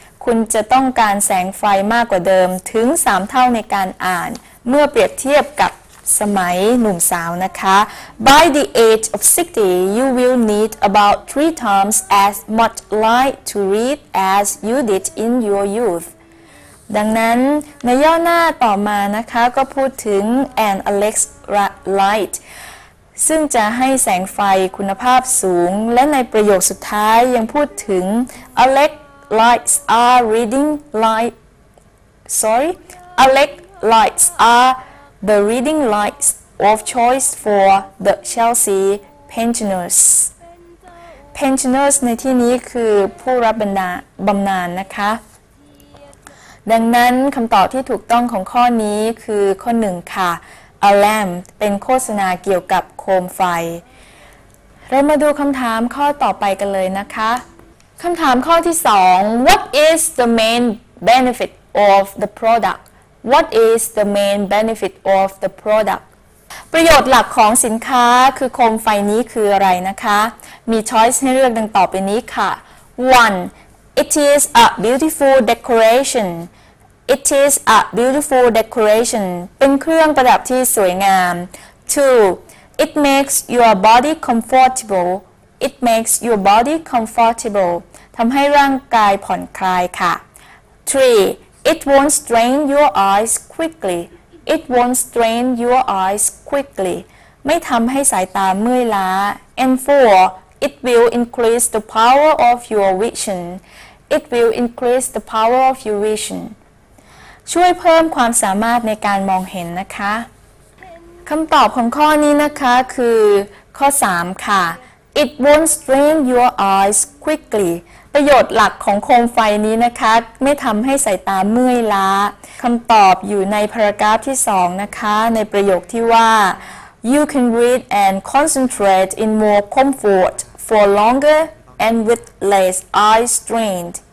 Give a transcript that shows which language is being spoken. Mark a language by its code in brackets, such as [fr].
[th] คุณจะต้องการแสงไฟมากกว่าเดิมถึง3เท่าในการอ่านเมื่อเปรียบเทียบกับสมัยหนุ่มสาวนะคะ [en] By the age of 60 you will need about 3 times as much light to read as you did in your youth [th] ดังนั้นในย่อหน้าต่อมานะคะก็พูดถึง an Alex light ซึ่งจะให้แสงไฟคุณภาพสูงและในประโยคสุดท้ายยังพูดถึง [en] AlexLights are reading light. Sorry, Alex lights are the reading lights of choice for the Chelsea pensioners. [th] Pensioners ในที่นี้คือผู้รับบำนาญ นะคะ ดังนั้นคำตอบที่ถูกต้องของข้อนี้คือข้อ1ค่ะ [en] A lamp [th] เป็นโฆษณาเกี่ยวกับโคมไฟ เรามาดูคำถามข้อต่อไปกันเลยนะคะ คำถามข้อที่2 [en] What is the main benefit of the product? What is the main benefit of the product? [th] ประโยชน์หลักของสินค้าคือโคมไฟนี้คืออะไรนะคะมีช้อยส์ให้เลือกดังต่อไปนี้ค่ะ 1. [en] It is a beautiful decoration. It is a beautiful decoration. [th] เป็นเครื่องประดับที่สวยงาม [en] 2. It makes your body comfortable. It makes your body comfortable. [th] ทำให้ร่างกายผ่อนคลายค่ะ. 3. [en] It won't strain your eyes quickly. It won't strain your eyes quickly. [th] ไม่ทำให้สายตาเมื่อยล้า. [en] And [th] 4. [en] It will increase the power of your vision. It will increase the power of your vision. [th] ช่วยเพิ่มความสามารถในการมองเห็นนะคะ.คำตอบของข้อนี้นะคะคือข้อ 3 ค่ะ [en] It won't strain your eyes quickly. [th] ประโยชน์หลักของโคมไฟนี้นะคะไม่ทำให้สายตาเมื่อยล้าคำตอบอยู่ในพารากราฟที่2นะคะในประโยคที่ว่า [en] You can read and concentrate in more comfort for longer and with less eye strain.